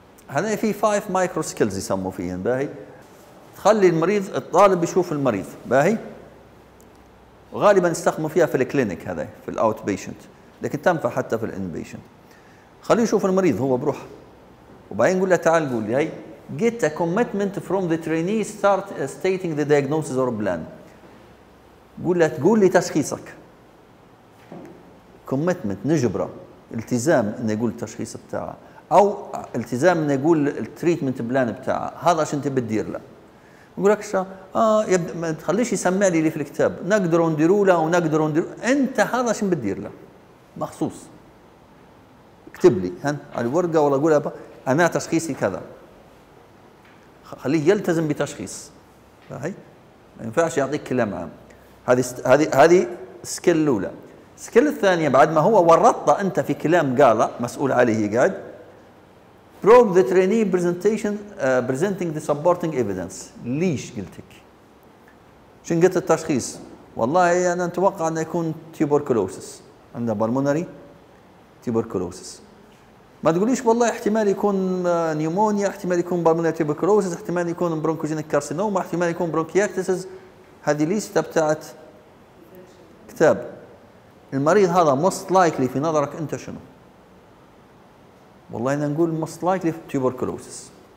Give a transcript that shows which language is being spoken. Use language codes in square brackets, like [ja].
[ar] هنا في 5 مايكرو سكيلز يسموه فيهم باهي. تخلي المريض الطالب يشوف المريض باهي. غالبا يستخدموا فيها في الكلينيك هذا في الاوت بيشنت، لكن تنفع حتى في الان بيشنت. خليه يشوف المريض هو بروحه. وبعدين نقول له تعال قول لي هي [en] get a commitment from the trainee start stating the diagnosis or plan. [ar] قول له تقول لي تشخيصك. commitment نجبره التزام انه يقول التشخيص بتاعه او التزام انه يقول التريتمنت بلان بتاعه، هذا عشان تبي تدير له. نقول لك ما تخليش يسمع لي اللي في الكتاب، نقدر نديروا له ونقدر نديروا، انت هذا عشان بتدير له مخصوص. اكتب لي هن على الورقه ولا قول له أنا تشخيصي كذا. خليه يلتزم بتشخيص. صحيح؟ ما ينفعش يعطيك كلام عام. هذه سكيل الأولى. السكيل الثانية بعد ما هو ورطته أنت في كلام قاله مسؤول عليه قاعد. [en] Probe the trainee presentation presenting the supporting evidence. [ar] ليش قلتك؟ شنو قلت التشخيص؟ والله أنا أتوقع أنه يكون tuberculosis. عنده pulmonary tuberculosis. ما تقوليش والله احتمال يكون نيومونيا، احتمال يكون بارمونيا تيبكروسس، احتمال يكون برونكوجينيك كارسينوما، احتمال يكون برونكياكتسز. هذه ليست بتاعت كتاب. المريض هذا موست لايكلي في نظرك انت شنو؟ والله انا نقول موست لايكلي تيبركلوسس.